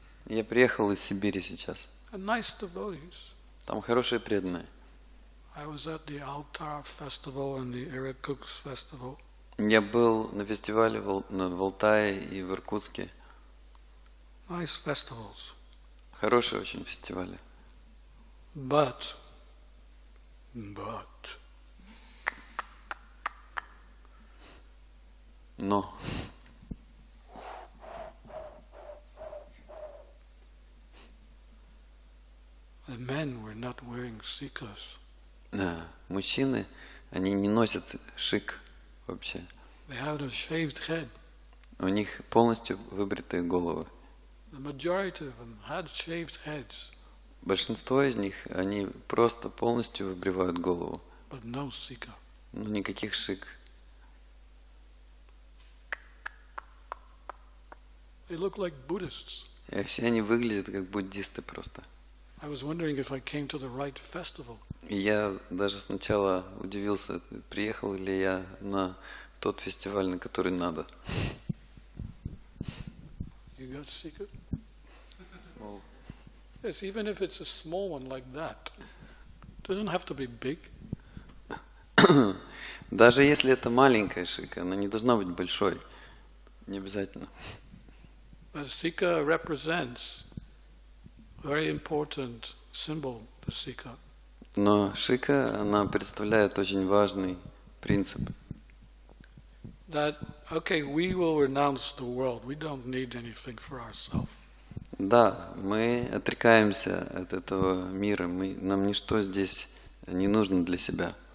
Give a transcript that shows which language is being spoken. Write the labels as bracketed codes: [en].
[ru] Я приехал из Сибири сейчас. [en] A nice devotees. [ru] Там хорошие преданные. [en] I was at the Altar Festival and the Irkutsk Festival. [ru] Я был на фестивале в Алтае и в Иркутске. [en] Nice festivals. [ru] Хорошие очень фестивали. [en] But. [ru] Но. [en] The men were not wearing sikhas. [ru] Мужчины, они не носят шик вообще. [en] They had a shaved head. [ru] У них полностью выбритые головы. [en] The majority of them had shaved heads. [ru] Большинство из них, они просто полностью выбривают голову. [en] But no sikha. [ru] Ну, никаких шик. [en] They look like Buddhists. [ru] И все они выглядят как буддисты просто. [en] I was wondering if I came to the right festival. [ru] Я даже сначала удивился, приехал ли я на тот фестиваль, на который надо. [en] You got sick? Small. Yes, even if it's a small one like that, it doesn't have to be big. [ru] Даже если это маленькая шика, она не должна быть большой. Не обязательно. [en] A sika represents very important symbol, the sika. [ru] Но шика, она представляет очень важный принцип. [en] That, okay, we will renounce the world. We don't need anything for ourselves. [ru] Да, мы отрекаемся от этого мира. Нам ничто здесь не нужно для себя.